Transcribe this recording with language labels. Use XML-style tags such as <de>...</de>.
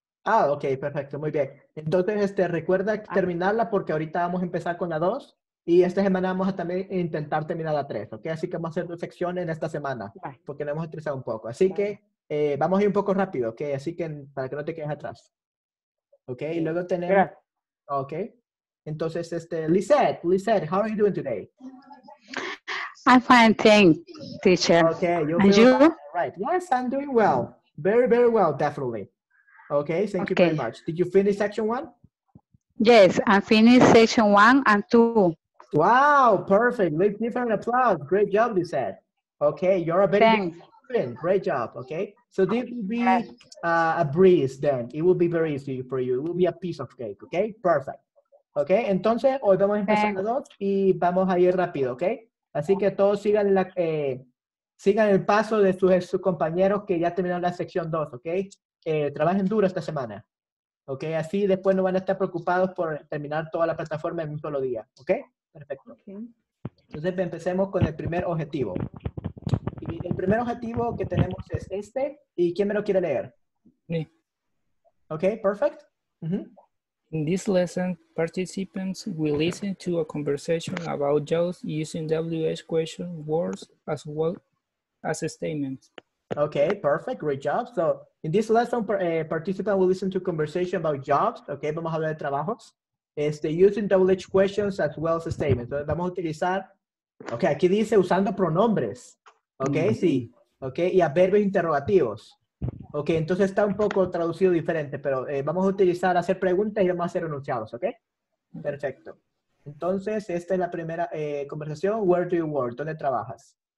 <es>Ah, okay, perfecto. Muy bien. Entonces, recuerda terminarla porque ahorita vamos a empezar con la dos. Y esta semana vamos a también intentar terminar la 3, ¿ok? Así que vamos a hacer dos secciones en esta semana, porque nos hemos estresado un poco. Así que vamos a ir un poco rápido, ¿ok? Así que para que no te quedes atrás. ¿Ok? Y luego tenemos...</es> <en>Ok. Entonces, Lizette, how are you doing today? I'm fine, thank you, teacher. Okay, you're right. Yes, I'm doing well. Very, very well, definitely. Okay, thank you very much. Did you finish section one? Yes, I finished section one and two. Wow, perfect. Let's give an applause. Great job, you said. Okay, you're a very good student. Great job, okay? So this will be a breeze then. It will be very easy for you. It will be a piece of cake, okay? Perfect.</en> <es>Okay, entonces hoy vamos a empezar a dos y vamos a ir rápido, okay? Así que todos sigan la, sigan el paso de sus compañeros que ya terminaron la sección 2, ¿ok? Trabajen duro esta semana, ¿ok? Así después no van a estar preocupados por terminar toda la plataforma en un solo día, ¿ok? Perfecto. Entonces empecemos con el primer objetivo. Y el primer objetivo que tenemos es este. ¿Y quién me lo quiere leer?</es> <en>Me. ¿Ok? Perfect. In this lesson, participants will listen to a conversation about jobs using WH question words as well as statements. Okay, perfect. Great job. So, in this lesson, participants will listen to conversation about jobs. Okay,</en> <es>vamos a hablar de trabajos.</es> <en>Using WH questions as well as statements.</en> <es>Entonces, vamos a utilizar, okay, aquí dice usando pronombres. Okay, sí. Okay, y a verbos interrogativos. Ok, entonces está un poco traducido diferente, pero vamos a utilizar hacer preguntas y vamos a hacer enunciados, ¿ok? Perfecto. Entonces, esta es la primera conversación,</es> <en>where do you work,</en> <es>¿dónde trabajas?</es>